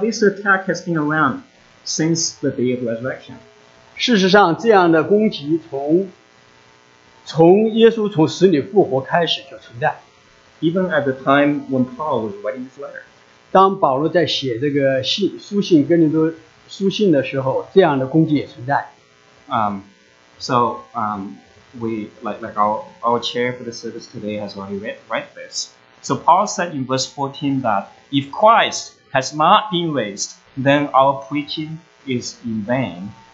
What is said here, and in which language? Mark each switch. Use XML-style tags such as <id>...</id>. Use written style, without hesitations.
<en>this attack has been around since the day of resurrection.</en> <zh>事实上，这样的攻击从耶稣从死里复活开始就存在。</zh> <en>Even at the time when Paul was writing this letter.</en> <zh>当保罗在写这个书信跟人都书信的时候，这样的攻击也存在。</zh> <en>So we like our chair for the service today has already read this. So Paul said in verse 14 that if Christ has not been raised, then our preaching is in vain.</en>